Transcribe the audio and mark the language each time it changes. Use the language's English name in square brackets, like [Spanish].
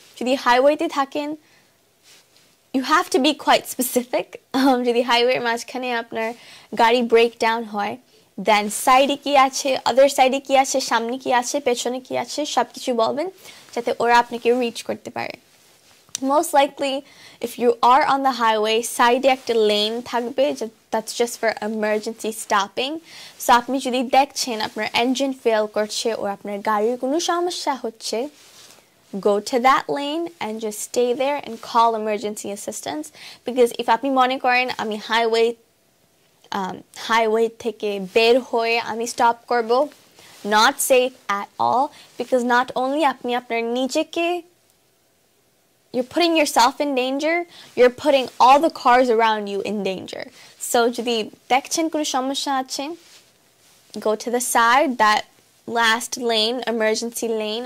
[Bangla] যদি হাইওয়েতে থাকেন, [English] You have to be quite specific. [Bangla] যদি হাইওয়ের মাঝখানে আপনার গাড়ি ব্রেক ডাউন হয়, দেন সাইডে কি আছে, আদার সাইডে কি আছে, সামনে কি আছে, পেছনে কি আছে, সব কিছু বলবেন, যাতে ওরা আপনাকে রিচ করতে পারে. [English] Most likely, if you are on the highway, side [Bangla] একটা [English] lane থাকবে, that's just for emergency stopping. So [Bangla] আপনি যদি দেখছেন আপনার [English] engine fail করছে or [Bangla] আপনার গাড়ির কোনো সমস্যা হচ্ছে, [English] go to that lane and just stay there and call emergency assistance. [Bangla] Because if আপনি মনে করেন আমি highway থেকে বের হয়ে আমি stop করবো, [English] not safe at all. Because not only [Bangla] আপনি আপনার নিজেকে, [English] you're putting yourself in danger, you're putting all the cars around you in danger. [Bangla] So jodi dekhchen kono samasya ache, [English] go to the side, that last lane, emergency lane.